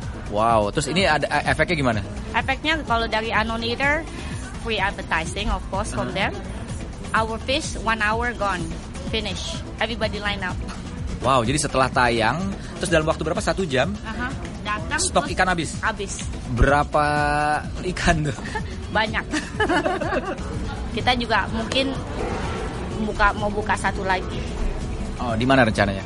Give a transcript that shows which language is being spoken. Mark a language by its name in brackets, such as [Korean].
[Indonesian] Wow, terus ini ada efeknya gimana? Efeknya kalau dari [English] Unknown Eater, free advertising of course from them. Our fish, 1 hour gone, finish. Everybody line up. [Indonesian] Wow, jadi setelah tayang, terus dalam waktu berapa? 1 jam? Datang, stok ikan habis? Habis. Berapa ikan tuh? Banyak. Kita juga mungkin mau buka satu lagi. Oh, di mana rencananya?